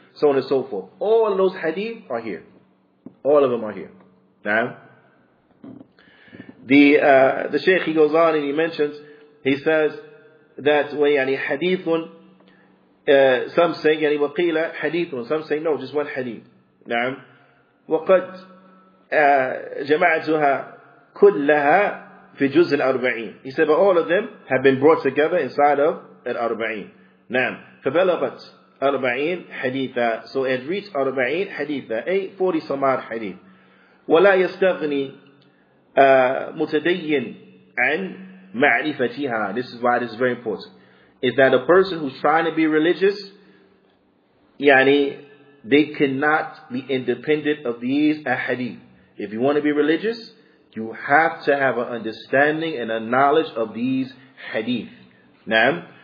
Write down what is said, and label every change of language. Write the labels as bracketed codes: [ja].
[en] So on and so forth. All of those hadith are here. All of them are here. Na'am. The Shaykh, he goes on and he mentions, he says that way, yani hadithun, some say [ar] يعني وقيلة حديث, [en] some say no, just one hadith. [ar] نعم. وقد جمعتها كلها في جزء الأربعين. [en] He said, but all of them have been brought together inside of الأربعين. [ar] نعم. فبلغت أربعين حديثا. [en] So it reached 40 [ar] حديثا. أي 40 سمار حديث. ولا يستغني متدين عن معرفتها. [en] This is why it is very important. Is that a person who's trying to be religious, yani, they cannot be independent of these ahadith. If you want to be religious, you have to have an understanding and a knowledge of these hadith. Na'am?